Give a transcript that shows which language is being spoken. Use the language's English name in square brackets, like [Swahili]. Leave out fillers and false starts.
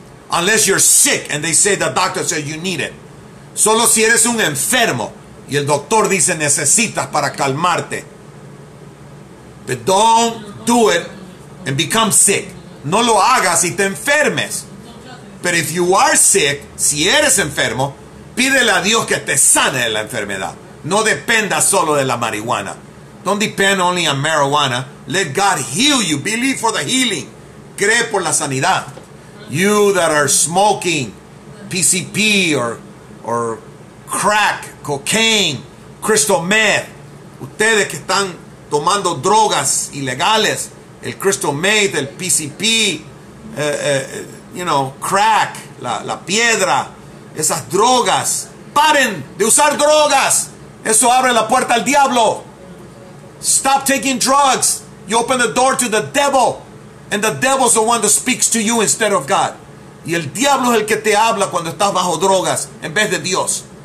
[English] Unless you're sick and they say the doctor says you need it. [Spanish] Solo si eres un enfermo y el doctor dice necesitas para calmarte. [English] But don't do it and become sick. [Spanish] No lo hagas y te enfermes. [English] But if you are sick, [Spanish] si eres enfermo, pídele a Dios que te sane de la enfermedad. No dependas solo de la marihuana. [English] Don't depend only on marijuana. Let God heal you. Believe for the healing. [Spanish] Cree por la sanidad. [English] You that are smoking PCP or crack, cocaine, crystal meth. [Spanish] Ustedes que están tomando drogas ilegales, el crystal meth, el PCP, crack, la piedra, esas drogas. ¡Paren de usar drogas! Eso abre la puerta al diablo. [English] Stop taking drugs. You open the door to the devil. And the devil's the one that speaks to you instead of God. [Spanish] Y el diablo es el que te habla cuando estás bajo drogas en vez de Dios.